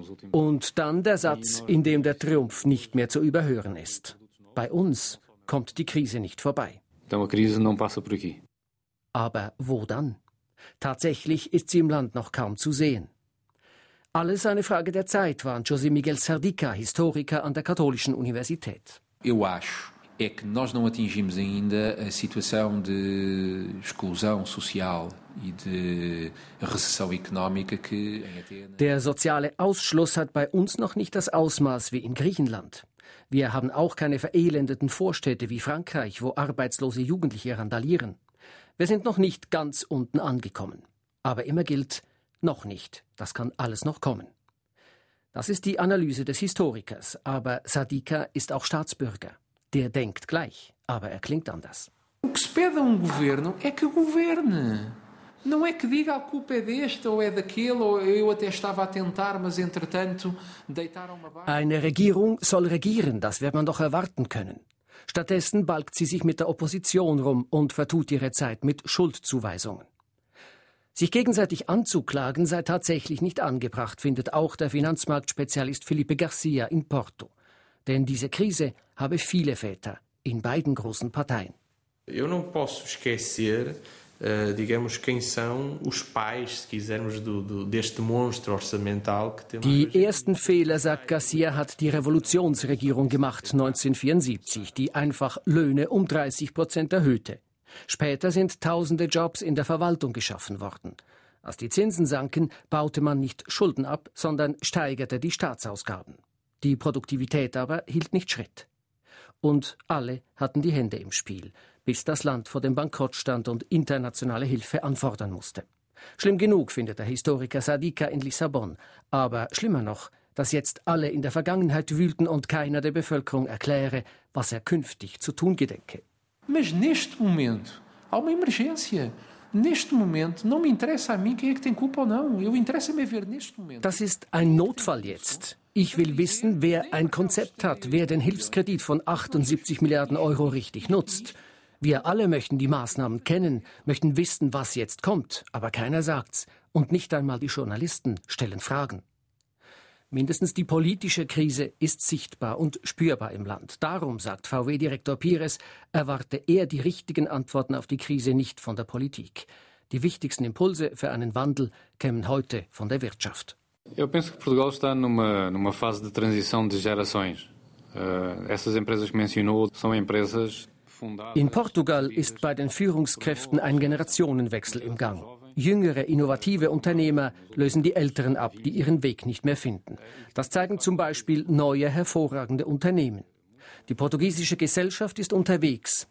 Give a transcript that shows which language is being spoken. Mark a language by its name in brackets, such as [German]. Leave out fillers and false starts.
[German] Und dann der Satz, in dem der Triumph nicht mehr zu überhören ist. Bei uns kommt die Krise nicht vorbei. Aber wo dann? Tatsächlich ist sie im Land noch kaum zu sehen. Alles eine Frage der Zeit, warnt José Miguel Sardica, Historiker an der Katholischen Universität. Ich denke, [Portuguese] é que nós não atingimos ainda a situação de exclusão social e de recessão económica que [German] der soziale Ausschluss hat bei uns noch nicht das Ausmaß wie in Griechenland. Wir haben auch keine verelendeten Vorstädte wie Frankreich, wo arbeitslose Jugendliche randalieren. Wir sind noch nicht ganz unten angekommen, aber immer gilt noch nicht. Das kann alles noch kommen. Das ist die Analyse des Historikers, aber Sardica ist auch Staatsbürger. Der denkt gleich, aber er klingt anders. [Portuguese] O que se pede a um governo é que governe. Não é que diga a culpa é deste ou é daquele, ou eu até estava a tentar, mas entretanto deitaram-me abaixo. [German] Eine Regierung soll regieren, das wird man doch erwarten können. Stattdessen balgt sie sich mit der Opposition rum und vertut ihre Zeit mit Schuldzuweisungen. Sich gegenseitig anzuklagen sei tatsächlich nicht angebracht, findet auch der Finanzmarktspezialist Felipe Garcia in Porto. Denn diese Krise habe viele Väter in beiden großen Parteien. [Portuguese] Eu não posso esquecer, digamos, quem são os pais, se quisermos, deste monstro orçamental que temos. [German] Die ersten Fehler, sagt Garcia, hat die Revolutionsregierung gemacht 1974, die einfach Löhne um 30% erhöhte. Später sind tausende Jobs in der Verwaltung geschaffen worden. Als die Zinsen sanken, baute man nicht Schulden ab, sondern steigerte die Staatsausgaben. Die Produktivität aber hielt nicht Schritt. Und alle hatten die Hände im Spiel, bis das Land vor dem Bankrott stand und internationale Hilfe anfordern musste. Schlimm genug, findet der Historiker Sadika in Lissabon. Aber schlimmer noch, dass jetzt alle in der Vergangenheit wühlten und keiner der Bevölkerung erkläre, was er künftig zu tun gedenke. [Portuguese] Mas neste momento há uma emergência. Neste momento não me interessa a mim quem é que tem culpa ou não. Eu interessa-me ver neste momento. [German] Das ist ein Notfall jetzt. Ich will wissen, wer ein Konzept hat, wer den Hilfskredit von 78 Milliarden Euro richtig nutzt. Wir alle möchten die Maßnahmen kennen, möchten wissen, was jetzt kommt, aber keiner sagt's. Und nicht einmal die Journalisten stellen Fragen. Mindestens die politische Krise ist sichtbar und spürbar im Land. Darum, sagt VW-Direktor Pires, erwarte er die richtigen Antworten auf die Krise nicht von der Politik. Die wichtigsten Impulse für einen Wandel kämen heute von der Wirtschaft. [Portuguese] Eu penso que Portugal está numa fase de transição de gerações. Essas empresas que mencionou são empresas fundadas. [German] In Portugal ist bei den Führungskräften ein Generationenwechsel im Gang. Jüngere, innovative Unternehmer lösen die Älteren ab, die ihren Weg nicht mehr finden. Das zeigen zum Beispiel neue, hervorragende Unternehmen. Die portugiesische Gesellschaft ist unterwegs.